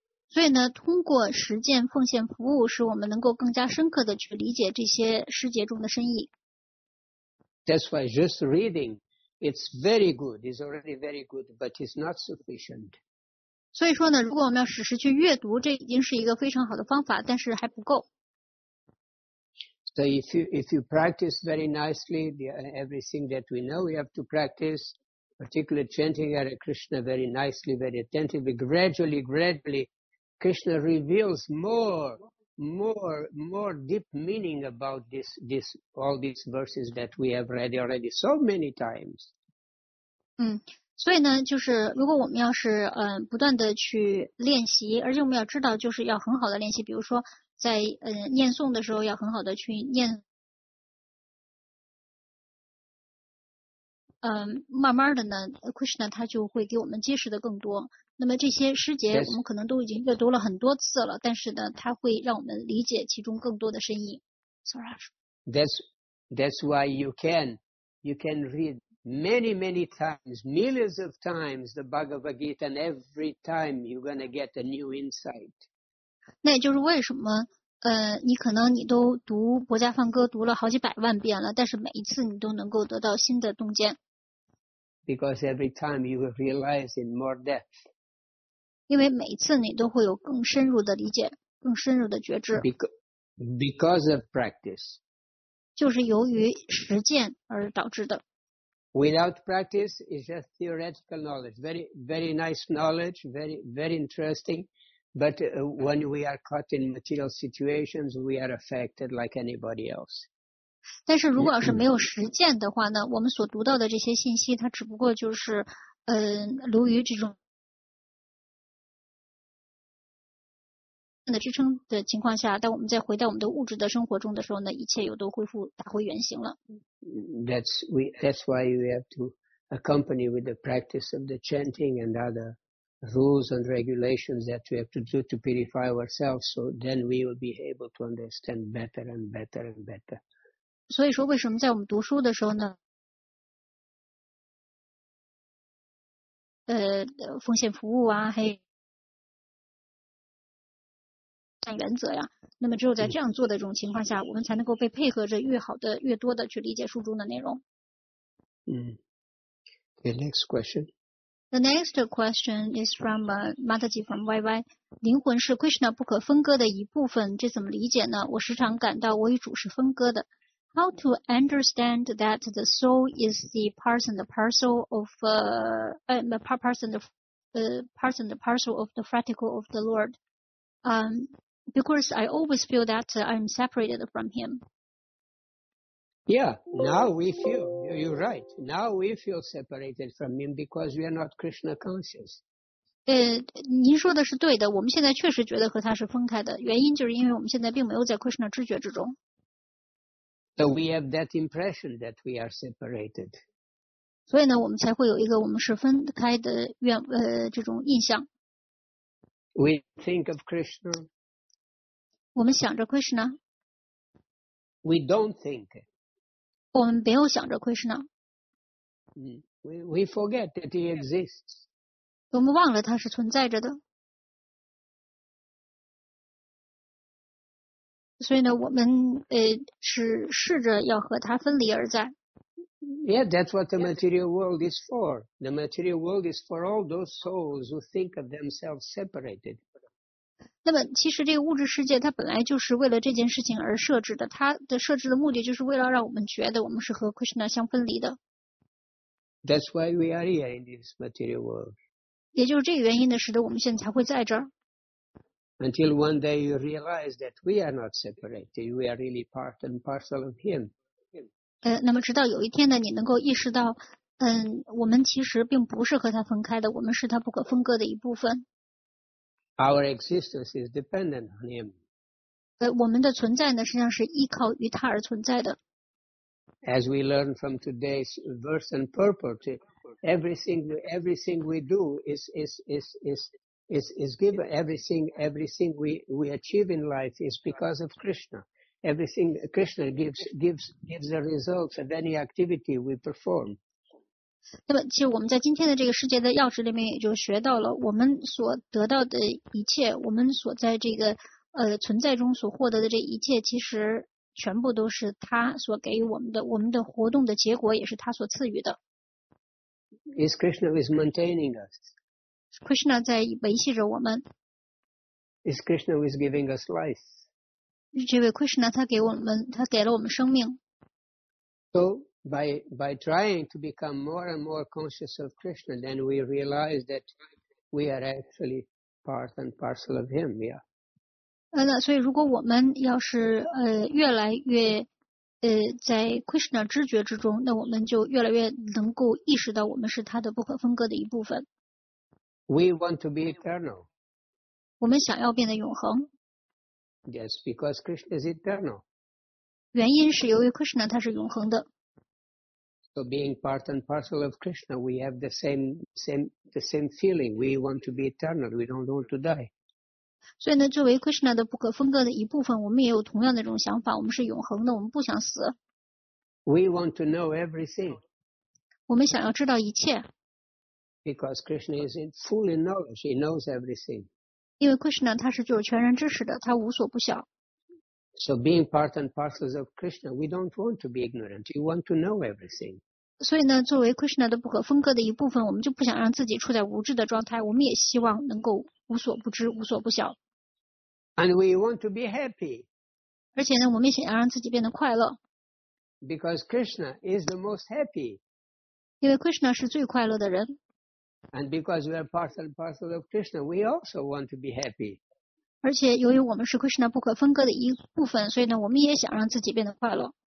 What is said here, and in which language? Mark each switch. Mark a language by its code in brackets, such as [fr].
[zh] 所以呢，通过实践奉献服务，使我们能够更加深刻的去理解这些诗节中的深意。 [en] That's why just reading, it's very good, it's already very good, but it's not sufficient. [zh] 所以说呢，如果我们要实时去阅读，这已经是一个非常好的方法，但是还不够。 [en] So if you practice very nicely, everything that we know we have to practice, particularly chanting Hare Krishna very nicely, very attentively, gradually, Krishna reveals more deep meaning about this all these verses that we have read already so many times. [zh] 所以呢，就是如果我们要是不断的去练习，而且我们要知道，就是要很好的练习。比如说在念诵的时候，要很好的去念，慢慢的呢 ，Krishna 他就会给我们揭示的更多。那么这些诗节我们可能都已经阅读了很多次了，但是呢，他会让我们理解其中更多的深意。 [en] That's why you can read. Many, many times, millions of times, the Bhagavad Gita, and every time you're going to get a new insight. [zh] 那也就是为什么，你可能你都读《博伽梵歌》读了好几百万遍了，但是每一次你都能够得到新的洞见。 [en] Because every time you will realize in more depth. [zh] 因为每一次你都会有更深入的理解，更深入的觉知。 [en] Because of practice. [zh] 就是由于实践而导致的。 [en] Without practice, it's just theoretical knowledge. Very, very nice knowledge, very, very interesting. But when we are caught in material situations, we are affected like anybody else. [zh] 但是如果要是没有实践的话呢，我们所读到的这些信息，它只不过就是，流于这种的支撑的情况下，但我们再回到我们的物质的生活中的时候呢，一切又都恢复打回原形了。 [en] That's why we have to accompany with the practice of the chanting and other rules and regulations that we have to do to purify ourselves. So then we will be able to understand better and better and better. [zh] 所以说，为什么在我们读书的时候呢？奉献服务啊，原则呀，那么只有在这样做的这种情况下，我们才能够被配合着越好的、越多的去理解书中的内容。 [en] The next question. The next question is from Mataji from YY. [zh] 灵魂是 Krishna 不可分割的一部分，这怎么理解呢？我时常感到我与主是分割的。 [en] How to understand that the soul is the part and parcel of the fractal of the Lord? Because I always feel that I'm separated from Him. Yeah, now we feel, you're right. Now we feel separated from Him because we are not Krishna conscious. [zh] 您说的是对的，我们现在确实觉得和他是分开的，原因就是因为我们现在并没有在 Krishna 知觉之中。 [en] So we have that impression that we are separated. [zh] 所以呢，我们才会有一个我们是分开的愿这种印象。 [en] We think of Krishna. [zh] 我们想着 Krishna. [en] We don't think. [zh] 我们没有想着 Krishna. [en] We forget that he exists. [zh] 我们忘了他是存在着的。所以呢，我们是试着要和它分离而在。 [en] Yeah, that's what the material world is for. The material world is for all those souls who think of themselves separated. [zh] 那么，其实这个物质世界它本来就是为了这件事情而设置的。它的设置的目的就是为了让我们觉得我们是和 Krishna 相分离的。 [en] That's why we are here in this material world. [zh] 也就是这个原因呢，使得我们现在才会在这儿。 [en] Until one day you realize that we are not separated, we are really part and parcel of Him. [zh] 那么直到有一天呢，你能够意识到，我们其实并不是和他分开的，我们是他不可分割的一部分。 [en] Our existence is dependent on Him. [zh] 我们的存在呢，实际上是依靠于他而存在的。 [en] As we learn from today's verse and purport, everything we do is given everything we achieve in life is because of Krishna. Everything Krishna gives the results of any activity we perform. [zh] 那么其实我们在今天的这个世界的钥匙里面也就学到了，我们所得到的一切，我们所在这个存在中所获得的这一切，其实全部都是他所给予我们的，我们的活动的结果也是他所赐予的。 [en] Is Krishna is maintaining us. [zh] Krishna 在维系着我们。 [en] Is Krishna who is giving us life? [zh] 这位 Krishna 他给了我们生命。 [en] So by trying to become more and more conscious of Krishna, then we realize that we are actually part and parcel of Him. Yeah. [zh] 所以如果我们要是越来越在 Krishna 知觉之中，那我们就越来越能够意识到我们是他的不可分割的一部分。 [en] We want to be eternal. [zh] 我们想要变得永恒。 [en] Yes, because Krishna is eternal. [zh] 原因是由于 Krishna 他是永恒的。 [en] So being part and parcel of Krishna, we have the same feeling. We want to be eternal. We don't want to die. [zh] 所以呢，作为 Krishna 的不可分割的一部分，我们也有同样的这种想法。我们是永恒的，我们不想死。 [en] We want to know everything. [zh] 我们想要知道一切。 [en] Because Krishna is in full knowledge, he knows everything. [zh] 因为 Krishna 他是具有全然知识的，他无所不晓。 [en] So being part and parcels of Krishna, we don't want to be ignorant. We want to know everything. [zh] 所以呢，作为 Krishna 的不可分割的一部分，我们就不想让自己处在无知的状态。我们也希望能够无所不知、无所不晓。 [en] And we want to be happy. [zh] 而且呢，我们也想要让自己变得快乐。 [en] Because Krishna is the most happy. [zh] 因为 Krishna 是最快乐的人。 [en] And because we are part and parcel of Krishna, we also want to be happy. [zh] 而且由于我们是 Krishna 不可分割的一部分，所以呢，我们也想让自己变得快乐。